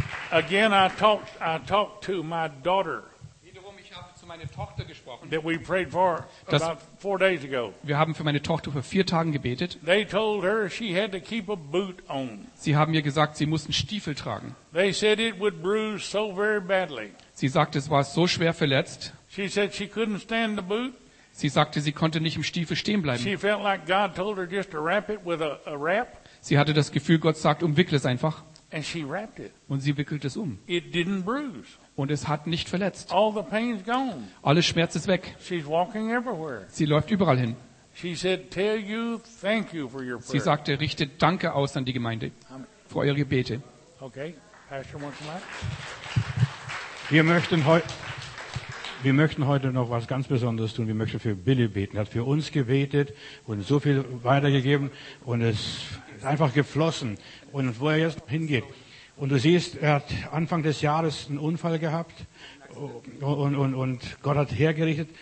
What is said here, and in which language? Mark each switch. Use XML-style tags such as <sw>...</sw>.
<en>Again, I talked to my daughter.</en> <de>Wiederum, ich habe zu meiner Tochter gesprochen.</de> <en>That we prayed for about 4 days ago.</en> <de>Wir haben für meine Tochter vor 4 Tagen gebetet.</de> <en>They told her she had to keep a boot on.</en> <de>Sie haben ihr gesagt, sie muss einen Stiefel tragen.</de> <en>They said it would bruise so very badly.</en> <de>Sie sagte, es war so schwer verletzt.</de> <en>She said she couldn't stand the boot.</en> <de>Sie sagte, sie konnte nicht im Stiefel stehen bleiben.</de> <en>She felt like God told her just to wrap it with a wrap.</en> <de>Sie hatte das Gefühl, Gott sagt, umwickle es einfach.</de> <en>And she wrapped it.</en> <de>Und sie wickelt es um.</de> <en>It didn't bruise.</en> <de>Und es hat nicht verletzt.</de> <en>All the pain's gone.</en> <de>Alles Schmerz ist weg.</de> <en>She's walking everywhere.</en> <de>Sie läuft überall hin.</de> <en>She said, "Tell you thank you for your prayer."</en> <de>Sie sagte, richtet Danke aus an die Gemeinde für eure Gebete.</de> <en>Okay, Pastor, one more time.</en> <de>Wir möchten heute noch was ganz Besonderes tun. Wir möchten für Billy beten. Er hat für uns gebetet und so viel weitergegeben und es ist einfach geflossen. Und wo er jetzt hingeht. Und du siehst, er hat Anfang des Jahres einen Unfall gehabt und Gott hat hergerichtet.</de>